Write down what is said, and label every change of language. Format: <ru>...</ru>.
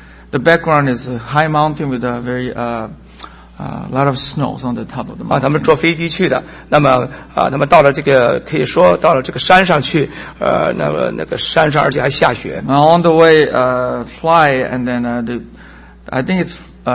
<en>The background is a high mountain with a very lot of snows on the top of the mountain.</en> <zh>他们坐飞机去的。那么他们到了这个可以说到了这个山上去。那个山上而且还下雪。</zh> <en>And on the way, fly and then the, I think it's.</en>